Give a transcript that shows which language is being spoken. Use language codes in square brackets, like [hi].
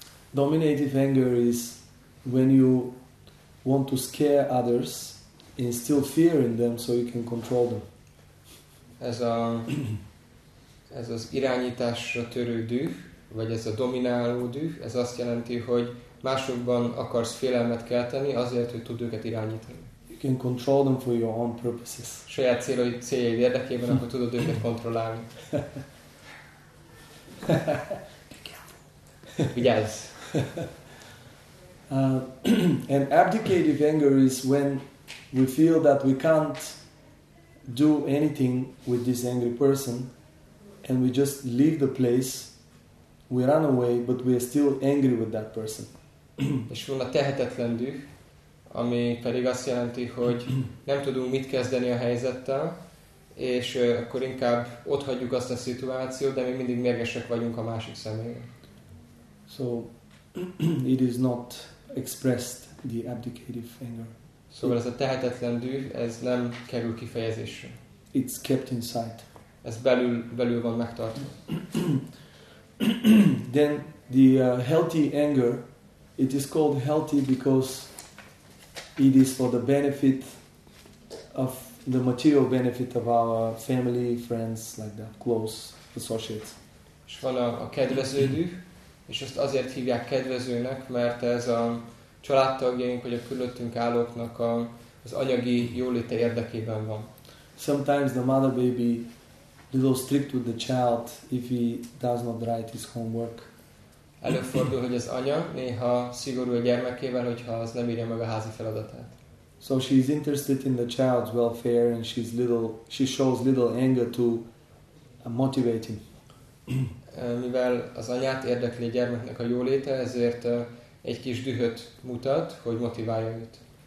[en] Dominative anger is when you want to scare others and still fear in them so you can control them. [hu] Ez az irányításra törő düh, vagy ez a domináló düh, ez azt jelenti, hogy másokban akarsz félelmet kelteni azért, hogy tud őket irányítani. [en] You can control them for your own purposes. [hu] Saját céljaid érdekében, akkor tudod őket kontrollálni. Vigyázz! [en] And abdicative anger is when we feel that we can't do anything with this angry person and we just leave the place, we run away, but we are still angry with that person. [hu] És van a tehetetlen düh, ami pedig azt jelenti, hogy nem tudunk mit kezdeni a helyzettel, és akkor inkább ott hagyjuk azt a szituációt, de mi mindig mérgesek vagyunk a másik személyen. [en] So, it is not expressed, the abdicative anger. [hu] Szóval ez a tehetetlen düh, ez nem kerül kifejezésre. [en] It's kept inside. [hu] Ez belül van megtartva. [en] Then, the healthy anger, it is called healthy because it is for the benefit of the material benefit of our family, friends, like that, close associates. [hu] És van a kedvező düh, és ezt azért hívják kedvezőnek, mert ez a családtagjaink, vagy a körülöttünk állóknak az anyagi jóléte érdekében van. [en] Sometimes the mother may be a little strict with the child if he does not write his homework. [hu] Előfordul, hogy az anya néha szigorú a gyermekével, hogyha az nem írja meg a házi feladatát. [en] So she is interested in the child's welfare and she shows little anger to motivate him. [hu] Mivel az anyát érdekli a gyermeknek a jóléte, ezért egy kis dühöt mutat, hogy motiválja őt.